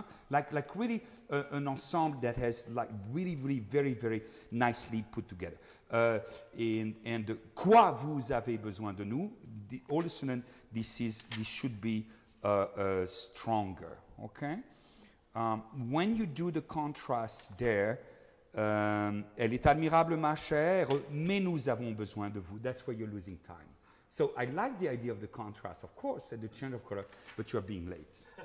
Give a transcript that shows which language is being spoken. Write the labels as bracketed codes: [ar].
[en] Like really an ensemble that has like really, really very, very nicely put together. [fr] And quoi vous avez besoin de nous? [en] All of a sudden, this should be stronger, okay? When you do the contrast there, [fr] elle est admirable, ma chère, mais nous avons besoin de vous. [en] That's where you're losing time. So I like the idea of the contrast, of course, and the change of color, but you are being late.